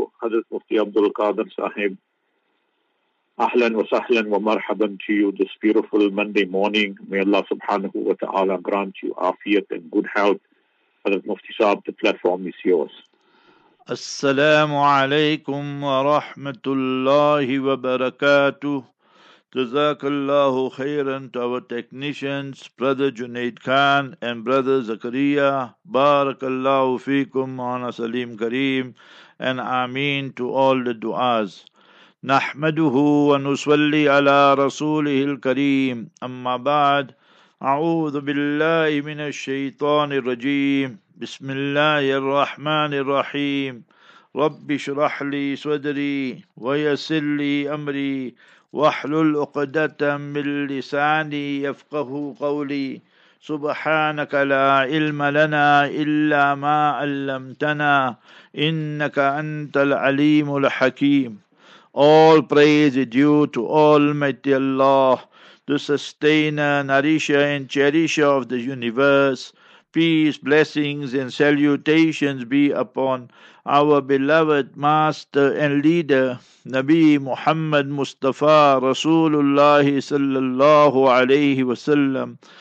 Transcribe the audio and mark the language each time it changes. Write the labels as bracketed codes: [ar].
[en] حضرت مفتی عبد القادر صاحب, [ar] اهلا وسهلا ومرحبا [en] to you this beautiful Monday morning. May Allah subhanahu wa ta'ala grant you afiyat and good health. Hazrat Mufti Sahab, the platform is yours. Assalamu alaykum wa rahmatullahi wa barakatuh. Jazakallahu khairan to our technicians, Brother Junaid Khan and Brother Zakaria. Barakallahu feekum ana Salim Kareem and ameen to all the du'as. [ar] نحمده ونصلي على رسوله الكريم أما بعد أعوذ بالله من الشيطان الرجيم بسم الله الرحمن الرحيم رب اشرح لي صدري ويسر لي أمري واحلل عقدة من لساني يفقه قولي سبحانك لا علم لنا إلا ما علمتنا إنك أنت العليم الحكيم. [en] All praise is due to Almighty Allah, the sustainer, nourisher and cherisher of the universe. Peace, blessings and salutations be upon our beloved master and leader, Nabi Muhammad Mustafa Rasulullah sallallahu alayhi wa sallam.